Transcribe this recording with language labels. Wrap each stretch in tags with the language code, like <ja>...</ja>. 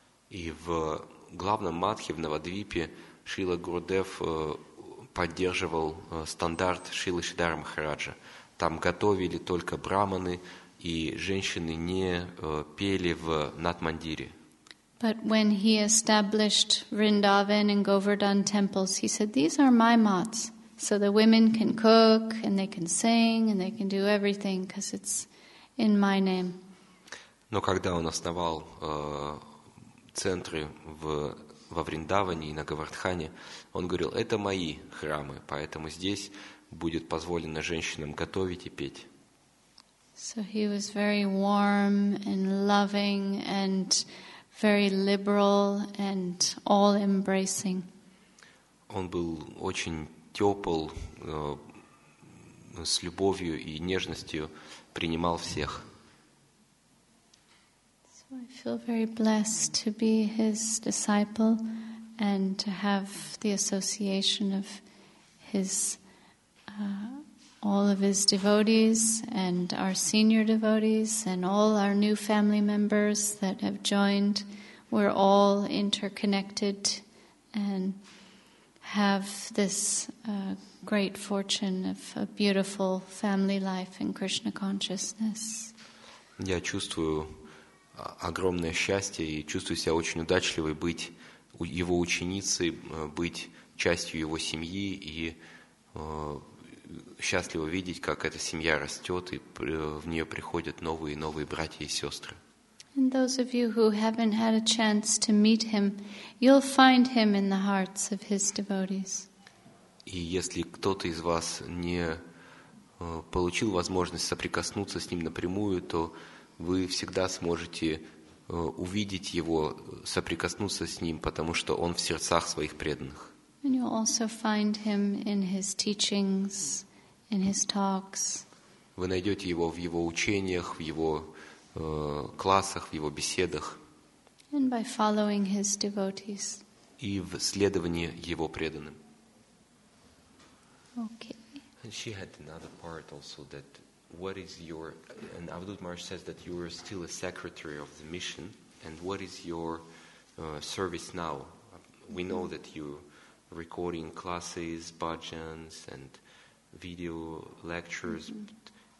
<ru>И в главном матхе, в Навадвипе, Шрила Гурудев поддерживал стандарт Шрилы Шридхара Махараджа. Там готовили только брахманы, и женщины не пели в Натмандире.</ru> <en>But when he established Vrindavan and Govardhan temples, he said, these are my mats, so the women can cook, and they can sing, and they can do everything, because it's in my name.</en> <ru>Но когда он основал центры во Вриндаване и на Говардхане, он говорил, это мои храмы, поэтому здесь будет позволено женщинам готовить и петь.</ru> <en>So he was very warm and loving and very liberal and all-embracing.</en> <ru>Он был очень тепл, с любовью и нежностью принимал всех.</ru> <en>So I feel very blessed to be his disciple and to have the association of his all of his devotees and our senior devotees and all our new family members that have joined. We're all interconnected and have this great fortune of a beautiful family life in Krishna consciousness.</en> <ru>Я чувствую огромное счастье и чувствую себя очень удачливой быть его ученицей, быть частью его семьи и счастливо видеть, как эта семья растет, и в нее приходят новые и новые братья и сестры.</ru> <en>And those of you who haven't had a chance to meet him, you'll find him in the hearts of his devotees.</en> <ru>И если кто-то из вас не получил возможность соприкоснуться с ним напрямую, то вы всегда сможете увидеть его, соприкоснуться с ним, потому что он в сердцах своих преданных.</ru> <en>And you'll also find him in his teachings, in his talks.</en> <ru>Вы найдете его в его учениях, в его классах, в его беседах.</ru> <en>And by following his devotees.</en> <ru>И в следовании его преданным.</ru> <en>Okay. And she had another part also that what is your, and Avadhut Maharaj says that you are still a secretary of the mission, and what is your service now? We know that you recording classes, bhajans, and video lectures. Mm-hmm.</en>